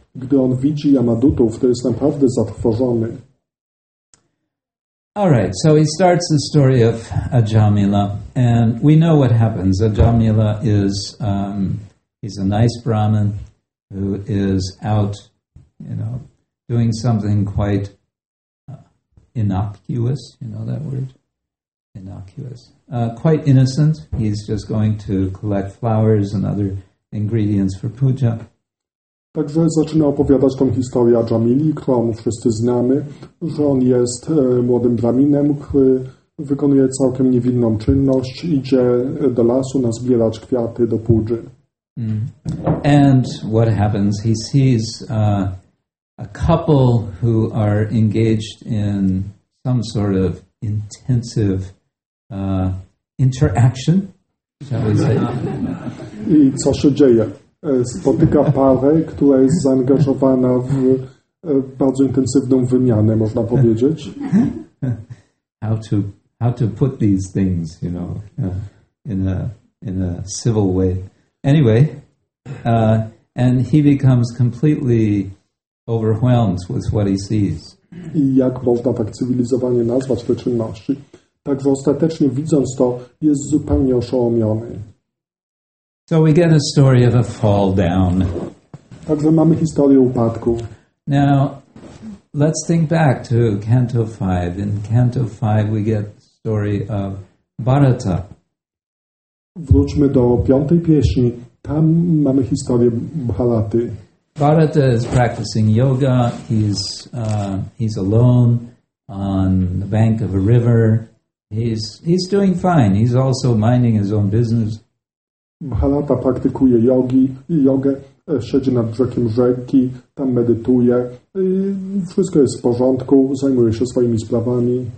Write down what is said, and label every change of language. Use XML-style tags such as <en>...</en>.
<pl>Gdy on widzi Yamadutów, to jest naprawdę zatrwożony.</pl> <en>All right, so he starts the story of Ajamila, and we know what happens. Ajamila is he's a nice Brahmin who is out, you know, doing something quite innocuous. You know that word? Innocuous. Quite innocent. He's just going to collect flowers and other ingredients for puja.</en> <pl>Także zaczyna opowiadać tą historię Ajamili, którą wszyscy znamy, że on jest młodym braminem, który wykonuje całkiem niewinną czynność, idzie do lasu nazbierać kwiaty do pudży.</pl> <en>And what happens? He sees a couple who are engaged in some sort of intensive interaction, shall we say?</en> <pl>I co się dzieje? Spotyka parę, która jest zaangażowana w bardzo intensywną wymianę, można powiedzieć.</pl> <en>How to put these things, you know, in a civil way. Anyway, and he becomes completely overwhelmed with what he sees.</en> <pl>I jak można tak cywilizowanie nazwać te czynności? Także ostatecznie widząc to, jest zupełnie oszołomiony.</pl> <en>So we get a story of a fall down.</en> <pl>Także mamy historię upadku.</pl> <en>Now, let's think back to Canto 5. In Canto 5 we get the story of Bharata.</en> <pl>Wróćmy do piątej pieśni. Tam mamy historię Bharaty.</pl> <en>Bharata is practicing yoga. He's alone on the bank of a river. He's doing fine. He's also minding his own business.</en> <pl>Bharata praktykuje jogę, siedzi nad brzegiem rzeki, tam medytuje, wszystko jest w porządku, zajmuje się swoimi sprawami.</pl>